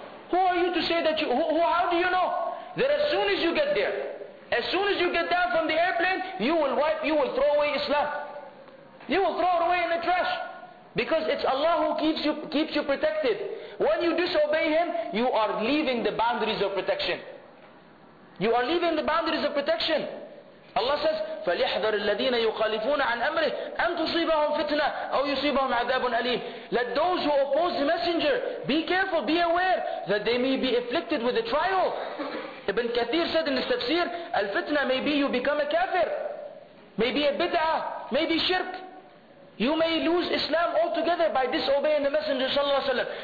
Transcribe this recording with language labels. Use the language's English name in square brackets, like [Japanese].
[English] Who are you to say that you? How do you know that as soon as you get there, as soon as you get down from the airplane, you will throw away Islam. You will throw it away in the trash. Because it's Allah who keeps you protected. When you disobey Him, you are leaving the boundaries of protection. You are leaving the boundaries of protection. Allah says, [Arabic] فَلِيَحْذَرِ الَّذِينَ يُخَالِفُونَ عَنْ أَمْرِهِ أَمْ تُصِيبَهُمْ فِتْنَةً أَوْ يُصِيبَهُمْ عَذَابٌ أَلِيمٌ. [English] Let those who oppose the Messenger, be careful, be aware, that they may be afflicted with a trial. Ibn Kathir said in the tafsir, الفتنة may be you become a kafir. Maybe a bid'ah, maybe shirk. You may lose Islam altogether by disobeying the Messenger sallallahu alaihi wasallam.